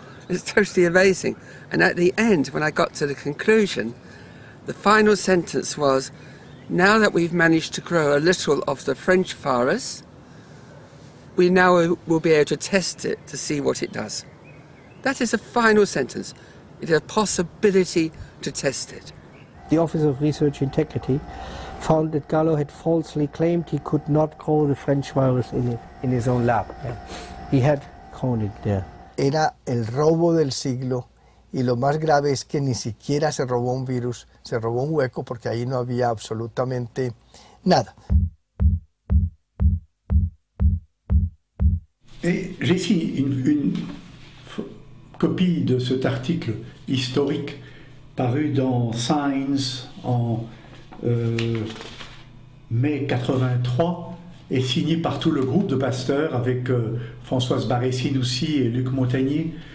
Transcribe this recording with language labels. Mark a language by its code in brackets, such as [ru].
[en] It's totally amazing. And at the end, when I got to the conclusion, the final sentence was, now that we've managed to grow a little of the French virus, we now will be able to test it to see what it does. That is a final sentence. It is a possibility to test it. The Office of Research Integrity found that Gallo had falsely claimed he could not grow the French virus in his own lab. He had grown it there. [es] Era el robo del siglo y lo más grave es que ni siquiera se robó un virus, se robó un hueco porque ahí no había absolutamente nada. [fr] J'ai ici une copie de cet article historique paru dans Science en mai 83 et signé par tout le groupe de Pasteur avec Françoise Barré-Sinoussi et Luc Montagné.